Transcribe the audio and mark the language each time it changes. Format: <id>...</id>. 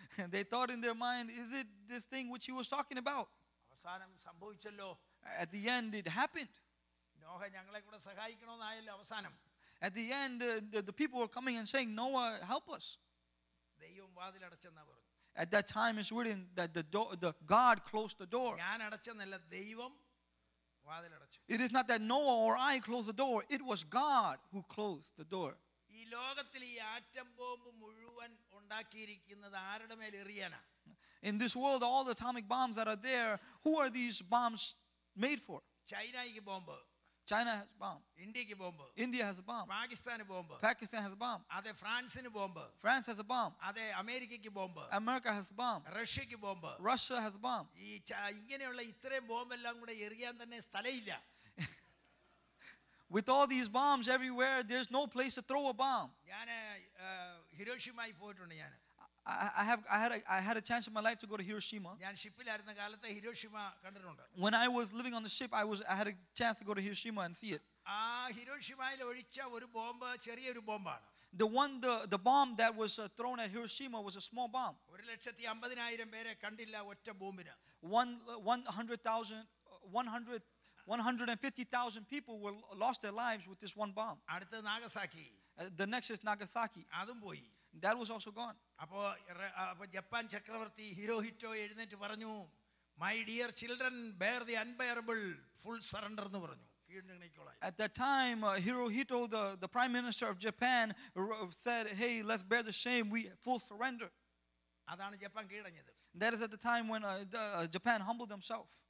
<en>They thought in their mind, is it this thing which he was talking about?</en> <ml>അവസാനം സംഭവിച്ചല്ലോ.</ml> <en>At the end it happened.</en> <ml>Noah ഞങ്ങളെ കൂടെ സഹായിക്കണോ എന്നായല്ലോ അവസാനം.</ml> <en>At the end the people were coming and saying, Noah, help us.</en> <ml>ദൈവം വാതിൽ അടച്ചെന്നാ പറഞ്ഞു.</ml> <en>At that time it's written that the God closed the door.</en> <ml>ഞാൻ അടച്ചെന്നല്ല ദൈവം വാതിൽ അടച്ചു.</ml> <en>It is not that Noah or I closed the door, it was God who closed the door.</en> <ml>ഈ ലോകത്തിൽ ഈ ആറ്റം ബോംബ് മുഴുവൻ ഉണ്ടാക്കിയിരിക്കുന്നത് ആരുടെ മേൽ എറിയാനാ?</ml> <en>In this world all the atomic bombs that are there, who are these bombs made for?</en> <ml>ചൈനയ്ക്ക് bomb.</ml> <en>China has a bomb.</en> <ml>ഇന്ത്യയ്ക്ക് bomb.</ml> <en>India has a bomb.</en> <ml>പാകിസ്ഥാന് bomb.</ml> <en>Pakistan has a bomb.</en> <ml>അതെ ഫ്രാൻസിന് bomb.</ml> <en>France has a bomb.</en> <ml>അതെ അമേരിക്കയ്ക്ക് bomb.</ml> <en>America has a bomb.</en> <ml>റഷ്യയ്ക്ക് bomb.</ml> <en>Russia has a bomb.</en> <ml>ഈ ഇങ്ങനെയുള്ള ഇത്രയും bomb എല്ലാം കൂടെ എറിയാൻ തന്നെ സ്ഥലമില്ല.</ml> <en>With all these bombs everywhere, there's no place to throw a bomb.</en> <ml>ഞാൻ ഹിരോഷിമയിൽ പോയിട്ടുണ്ട് ഞാൻ.</ml> <en>I had a chance in my life to go to Hiroshima.</en> <ml>ഞാൻ ഷിപ്പിൽ ആയിരുന്ന കാലത്തെ ഹിരോഷിമ കണ്ടിട്ടുണ്ട്.</ml> <en>When I was living on the ship, I had a chance to go to Hiroshima and see it.</en> <ml>ആ ഹിരോഷിമയിൽ ഒഴിച്ച ഒരു ബോംബ് ചെറിയൊരു ബോംബാണ്.</ml> <en>The bomb that was thrown at Hiroshima was a small bomb.</en> <ml>150,000 പേരെ കണ്ടില്ല ഒറ്റ ബോംബിന്.</ml> <en>150,000 people were lost their lives with this one bomb.</en> <ml>അടുത്ത Nagasaki.</ml> <en>The next is Nagasaki.</en> <ml>അതും പോയി.</ml> <en>That was also gone.</en> <ml>അപ്പോ ജപ്പാൻ ചക്രവർത്തി ഹിരോഹിറ്റോ എഴുന്നേറ്റ് പറഞ്ഞു,</ml> <en>my dear children, bear the unbearable, full surrender</en> <ml>എന്ന് പറഞ്ഞു.</ml> <en>At that time Hirohito, the prime minister of Japan, said, hey, let's bear the shame, we full surrender.</en> <ml>അതാണ് Japan കീഴടങ്ങിയത്.</ml> <en>That is at the time when Japan humbled themselves.</en>